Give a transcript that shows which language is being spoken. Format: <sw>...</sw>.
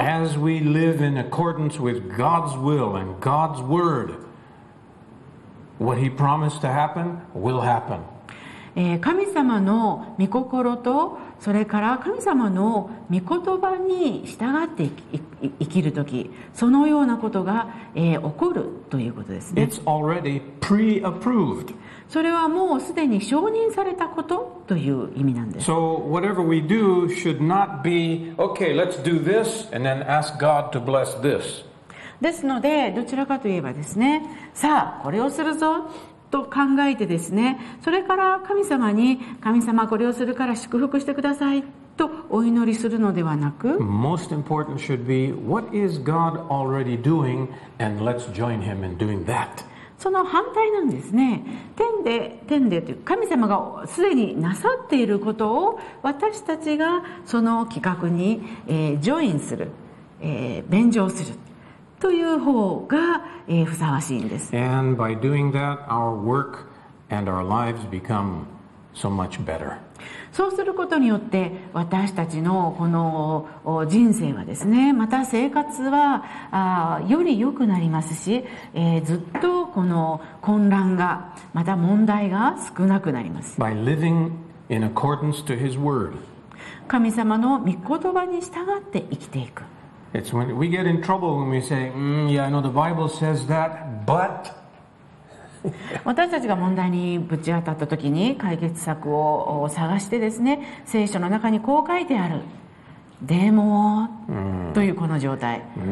<en>As we live in accordance with God's will and God's word, what He promised to happen will happen.</en> <ja>神様の御心とそれから神様の御言葉に従って生きるとき、そのようなことが起こるということですね。</ja> <en>It's already pre-approved.</en> <ja>それはもうすでに承認されたことという意味なんです。</ja> <en>So whatever we do should not be, okay, let's do this and then ask God to bless this.</en> <ja>ですので、どちらかといえばですね、さあこれをするぞと考えてですね、それから神様に、神様これをするから祝福してくださいとお祈りするのではなく、</ja> <en>Most important should be, what is God already doing and let's join him in doing that.</en> <ja>その反対なんですね。天でという神様がすでになさっていることを私たちがその企画に、ジョインする、便乗するという方が、ふさわしいんです。</ja> <en>And by doing that, our work and our lives become so much better.</en> <ja>そうすることによって私たちのこの人生はですね、また生活はより良くなりますし、ずっとこの混乱がまた問題が少なくなります。</ja> <en>By living in accordance to his word.</en> <ja>神様の御言葉に従って生きていく。</ja> <en>It's when we get in trouble when we say, yeah, I know the Bible says that, but...</en> <ja>私たちが問題にぶち当たった時に解決策を探してですね、聖書の中にこう書いてある、でもというこの状態、</ja>